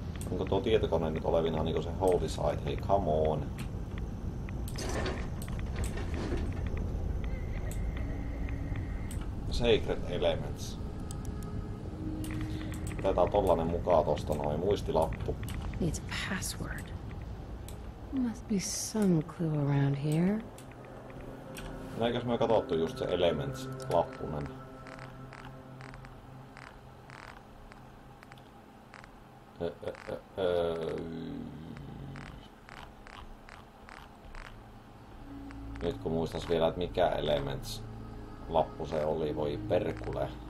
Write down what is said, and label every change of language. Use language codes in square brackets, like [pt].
[fi] Onko tuo tietokone nyt olevina niinku se [en] holy site? [fi] Hei, [en] come on. Sacred elements. [fi] Otetaan tollanen mukaan tosta noin muistilappu. [en] Needs a password. Must be some clue around here. [fi] Näinkäs me katsottu just se elements-lappunen. Nyt kun muistas vielä, että mikä elements-lappu se oli, voi perkule.